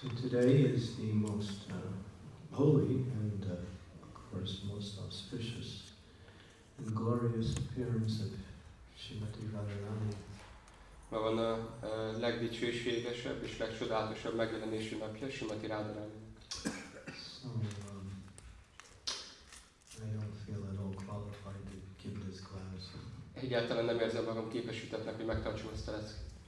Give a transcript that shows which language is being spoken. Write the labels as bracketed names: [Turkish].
[English] Today is the most holy and, of course, most auspicious and glorious appearance of Srimati Radharani. [Hungarian] Ma van a legdicsőségesebb és legcsodálatosabb megjelenési napja Srimati Radharani. [English] So, I don't feel at all qualified to give this class. [Hungarian] Egyáltalán nem érzem magam képesítettnek, hogy megtartsam ezt a leckét.